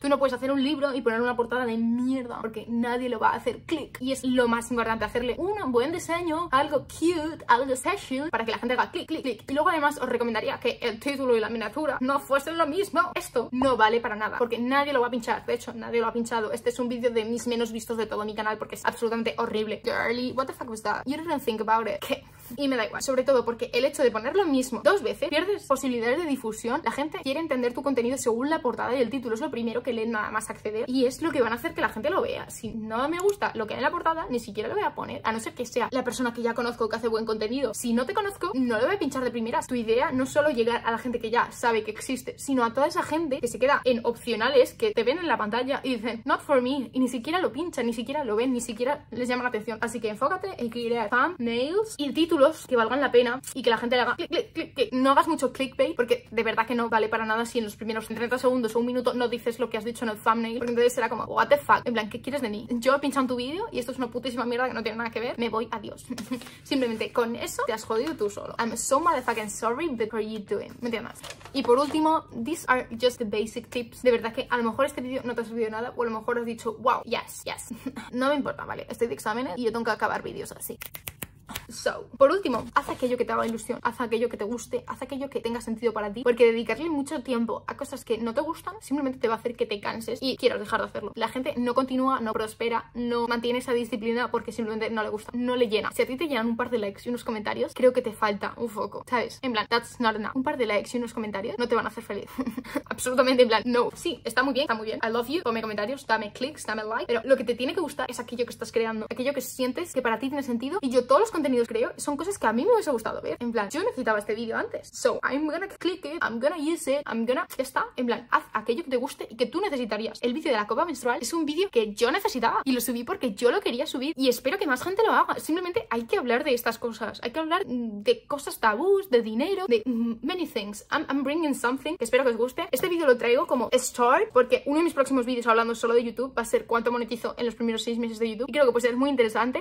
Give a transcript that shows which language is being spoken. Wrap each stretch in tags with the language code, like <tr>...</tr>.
<es>Tú no puedes hacer un link y poner una portada de mierda porque nadie lo va a hacer click, y es lo más importante, hacerle un buen diseño, algo cute, algo special, para que la gente haga click, click, click. Y luego además os recomendaría que el título y la miniatura no fuesen lo mismo. Esto no vale para nada porque nadie lo va a pinchar. De hecho, nadie lo ha pinchado. Este es un vídeo de mis menos vistos de todo mi canal porque es absolutamente horrible.</es> <en>Girlie, what the fuck was that? You didn't think about it.</en> <es>¿Qué? Y me da igual, sobre todo porque el hecho de poner lo mismo 2 veces pierdes posibilidades de difusión. La gente quiere entender tu contenido según la portada y el título, es lo primero que leen nada más acceder, y es lo que van a hacer que la gente lo vea. Si no me gusta lo que hay en la portada, ni siquiera lo voy a poner, a no ser que sea la persona que ya conozco que hace buen contenido. Si no te conozco, no lo voy a pinchar de primeras. Tu idea no solo llegar a la gente que ya sabe que existe, sino a toda esa gente que se queda en opcionales, que te ven en la pantalla y dicen</es> <en>not for me,</en> <es>y ni siquiera lo pinchan, ni siquiera lo ven, ni siquiera les llama la atención. Así que enfócate en crear thumbnails y títulos que valgan la pena y que la gente le haga click, click, click. Que no hagas mucho clickbait, porque de verdad que no vale para nada si en los primeros 30 segundos o un minuto no dices lo que has dicho en el thumbnail, porque entonces será como</es> <en>what the fuck,</en> <es>en plan, ¿qué quieres de mí? Yo he pinchado en tu vídeo y esto es una putísima mierda que no tiene nada que ver, me voy, adiós. Simplemente con eso te has jodido tú solo.</es> <en>I'm so motherfucking sorry before you do it.</en> <es>¿Me entiendes? Y por último,</es> <en>these are just the basic tips.</en> <es>De verdad que a lo mejor este vídeo no te ha servido nada, o a lo mejor has dicho</es> <en>wow, yes, yes.</en> <es>No me importa, vale, estoy de exámenes y yo tengo que acabar vídeos así. So, por último, haz aquello que te haga ilusión, haz aquello que te guste, haz aquello que tenga sentido para ti, porque dedicarle mucho tiempo a cosas que no te gustan simplemente te va a hacer que te canses y quieras dejar de hacerlo. La gente no continúa, no prospera, no mantiene esa disciplina porque simplemente no le gusta, no le llena. Si a ti te llenan un par de likes y unos comentarios, creo que te falta un foco, ¿sabes? En plan,</es> <en>that's not enough.</en> <es>Un par de likes y unos comentarios no te van a hacer feliz. Absolutamente, en plan, no. Sí, está muy bien, está muy bien.</es> <en>I love you,</en> <es>ponme comentarios, dame clics, dame like, pero lo que te tiene que gustar es aquello que estás creando, aquello que sientes que para ti tiene sentido. Y yo todos los contenidos contenidos, creo, son cosas que a mí me hubiese gustado ver. En plan, yo necesitaba este vídeo antes.</es> <en>So, I'm gonna click it, I'm gonna use it, I'm gonna...</en> <es>Ya está. En plan, haz aquello que te guste y que tú necesitarías. El vídeo de la copa menstrual es un vídeo que yo necesitaba y lo subí porque yo lo quería subir y espero que más gente lo haga. Simplemente hay que hablar de estas cosas. Hay que hablar de cosas tabús, de dinero, de</es> <en>many things. I'm bringing something</en> <es>que espero que os guste. Este vídeo lo traigo como start porque uno de mis próximos vídeos hablando solo de YouTube va a ser cuánto monetizo en los primeros 6 meses de YouTube. Y creo que pues es muy interesante.</es>